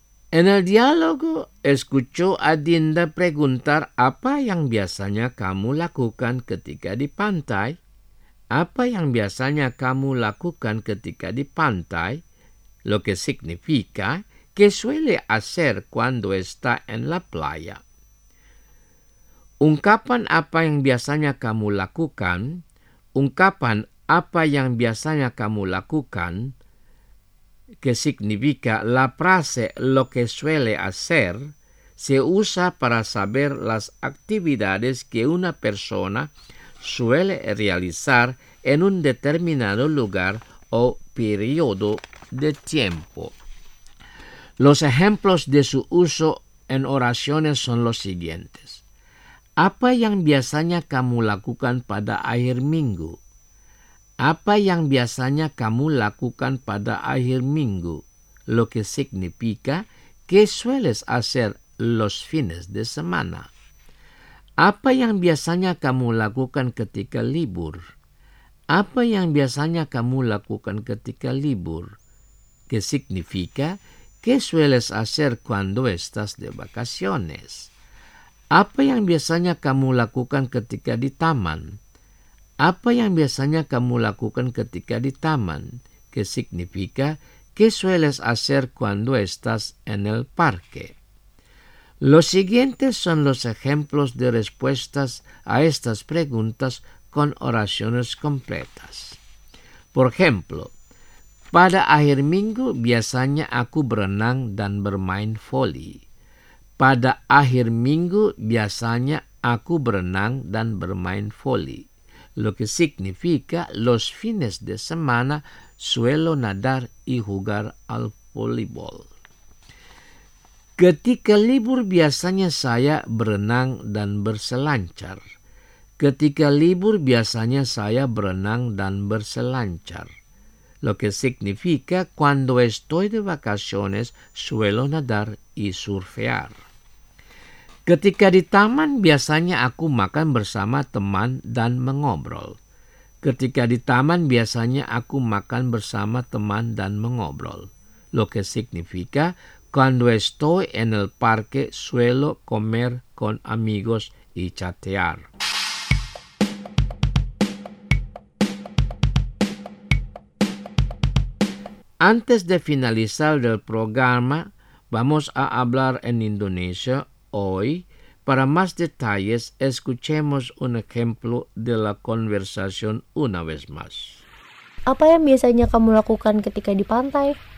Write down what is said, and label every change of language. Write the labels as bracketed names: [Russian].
[Spanish] En el diálogo escuchó a Dinda preguntar [Indonesian] apa yang biasanya kamu lakukan ketika di pantai. Apa yang biasanya kamu lakukan ketika di pantai? [Spanish] Lo que significa que suele hacer cuando está en la playa. [Indonesian] Ungkapan apa yang biasanya kamu lakukan? Ungkapan apa yang biasanya kamu lakukan? [Spanish] Que significa la frase lo que suele hacer? Se usa para saber las actividades que una persona suele realizar en un determinado lugar o periodo de tiempo. Los ejemplos de su uso en oraciones son los siguientes. [Indonesian] Apa yang biasanya kamu lakukan pada akhir minggu? Apa yang biasanya kamu lakukan pada akhir minggu? [Spanish] Lo que significa que sueles hacer los fines de semana. [Indonesian] Apa yang biasanya kamu lakukan ketika libur? Apa yang biasanya kamu lakukan ketika libur? [Spanish] Que significa que sueles hacer cuando estás de vacaciones. [Indonesian] Apa yang biasanya kamu lakukan ketika di taman? Apa yang biasanya kamu lakukan ketika di taman? [Spanish] Que significa que sueles hacer cuando estás en el parque. Los siguientes son los ejemplos de respuestas a estas preguntas con oraciones completas. Por ejemplo, [Indonesian] pada akhir minggu biasanya aku berenang dan bermain voli. Pada akhir minggu biasanya aku berenang dan bermain voli. [Spanish] Lo que significa los fines de semana suelo nadar y jugar al voleibol. [Indonesian] Ketika libur biasanya saya berenang dan berselancar. Ketika libur biasanya saya berenang dan berselancar. [Spanish] Lo que significa cuando estoy de vacaciones suelo nadar y surfear. [Indonesian] Ketika di taman biasanya aku makan bersama teman dan mengobrol. Ketika di taman biasanya aku makan bersama teman dan mengobrol. [Spanish] Lo que significa cuando estoy en el parque suelo comer con amigos y chatear. Antes de finalizar el programa, vamos a hablar en indonesio hoy. Para más detalles, escuchemos un ejemplo de la conversación una vez más. [Indonesian] Apa yang biasanya kamu lakukan ketika di pantai?